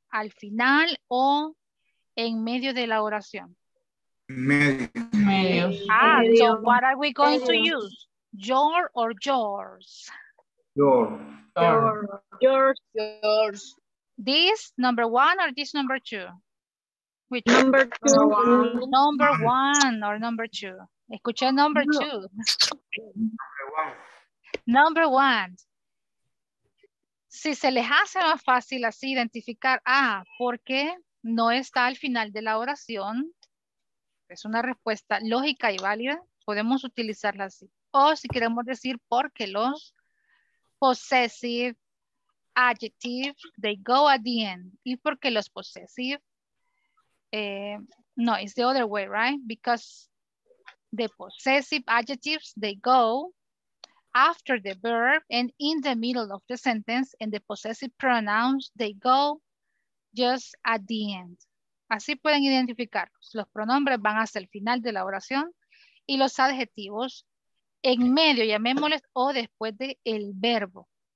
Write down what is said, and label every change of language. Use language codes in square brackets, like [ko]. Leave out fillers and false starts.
[es] ¿Al final o en medio de la oración? Medio. [en] Ah, so what are we going to use? Your or yours? Your. Yours. Yours. This number one or this number two? Which number two? Number one or number two? [es] Escuché [en] number two. Number one. [es] Si se les hace más fácil así identificar, ah, porque no está al final de la oración, es una respuesta lógica y válida, podemos utilizarla así. O si queremos decir porque los possessive adjectives, [en] they go at the end. [es] Y porque los [en] possessive, no, it's the other way, right? Because the possessive adjectives, they go after the verb and in the middle of the sentence, and the possessive pronouns, they go just at the end. [es] Así pueden identificarlos. Los pronombres van hasta el final de la oración y los adjetivos en medio, llamémosles, o después de el verbo.